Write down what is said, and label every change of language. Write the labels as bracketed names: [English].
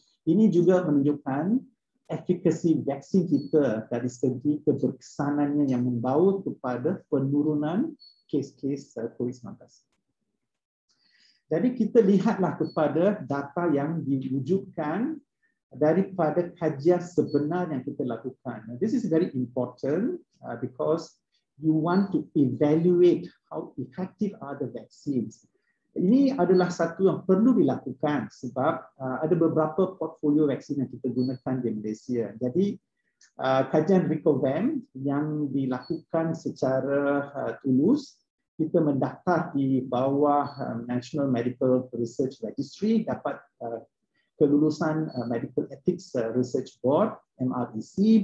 [Malay] Ini juga menunjukkan efikasi vaksin kita dari segi keberkesanannya yang membawa kepada penurunan kes-kes COVID-19. Jadi kita lihatlah kepada data yang diwujudkan daripada kajian sebenar yang kita lakukan. [English] Now, this is very important because you want to evaluate how effective are the vaccines. [Malay] Ini adalah satu yang perlu dilakukan sebab ada beberapa portfolio vaksin yang kita gunakan di Malaysia. Jadi kajian RICOVAM yang dilakukan secara tulus, kita mendata di bawah National Medical Research Registry, dapat kelulusan Medical Ethics Research Board, MREC.